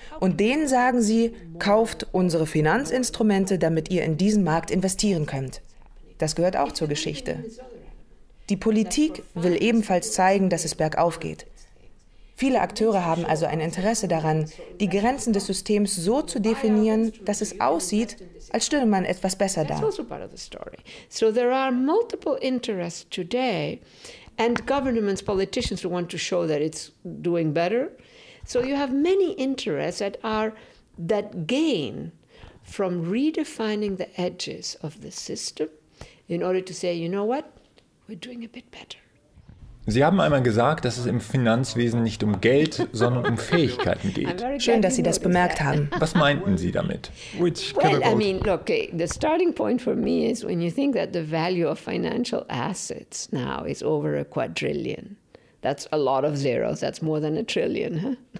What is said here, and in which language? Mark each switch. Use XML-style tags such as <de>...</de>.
<de>Und denen sagen sie, kauft unsere Finanzinstrumente, damit ihr in diesen Markt investieren könnt. Das gehört auch zur Geschichte. Die Politik will ebenfalls zeigen, dass es bergauf geht. Viele Akteure haben also ein Interesse daran, die Grenzen des Systems so zu definieren, dass es aussieht, als stünde man etwas besser da.</de> <en>So there are multiple interests today and governments, politicians who want to show that it's doing better. So you have many interests that are that gain from redefining the edges of the system in order to say, you know what, we're doing a bit better.</en> <de>Sie haben einmal gesagt, dass es im Finanzwesen nicht um Geld, sondern um Fähigkeiten geht. Schön, dass Sie das bemerkt haben. Was meinten Sie damit?</de> <en>The starting point for me is when you think that the value of financial assets now is over a quadrillion. That's a lot of zeros. That's more than a trillion.</en>